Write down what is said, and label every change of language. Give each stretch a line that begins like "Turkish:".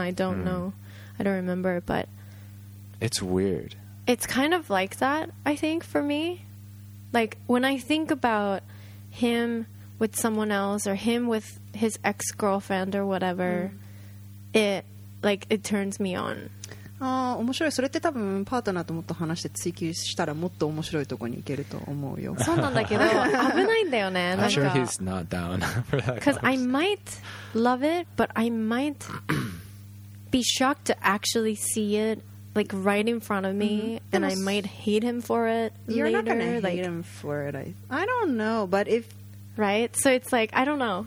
English: I don't know. I don't remember, but... It's weird. It's kind of like that, I think, for me. Like, when I think about him with someone else or him with his ex-girlfriend or whatever, it turns me on.
Japanese: ああ、面白い。それって多分パートナーともっと話して追求したらもっと面白いところに行けると思うよ。そうなんだけど、危ないんだよね。
English: I'm sure he's not down for that. Because I might love it, but I might be shocked to actually see it. Like right in front of me, mm-hmm. and I might hate him for it. You're later. Not gonna hate like, him for it. I don't know, but if right, so it's like I don't know.